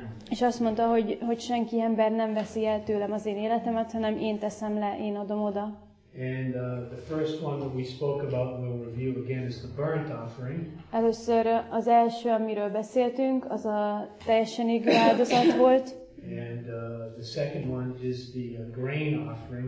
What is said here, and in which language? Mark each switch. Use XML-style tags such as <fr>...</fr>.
<hu>És azt mondta, hogy, hogy senki ember nem veszi el tőlem az én életemet, hanem én teszem le, én adom oda.</hu> <en>And the first one that we spoke about we'll review again is the burnt offering.</en> <hu>Először az első, amiről beszéltünk, az a teljesen égő áldozat volt.</hu> <en>And the second one is the grain offering.</en>